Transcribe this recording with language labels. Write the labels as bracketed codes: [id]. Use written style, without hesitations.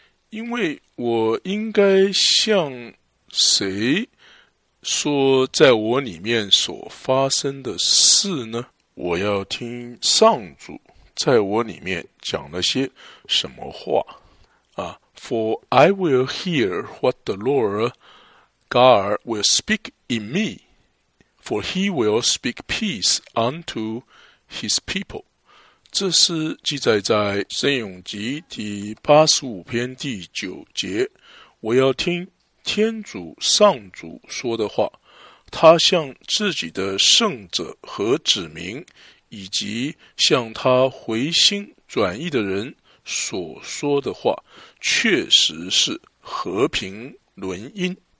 [zh] 因为我应该向谁说在我里面所发生的事呢？我要听上主在我里面讲了些什么话啊。 [en] For I will hear what the Lord God will speak in me, for he will speak peace unto his people。 [zh] 这是记载在圣咏集第85篇第9节，我要听天主上主说的话，他向自己的圣者和子民，以及向他回心转意的人所说的话，确实是和平伦因。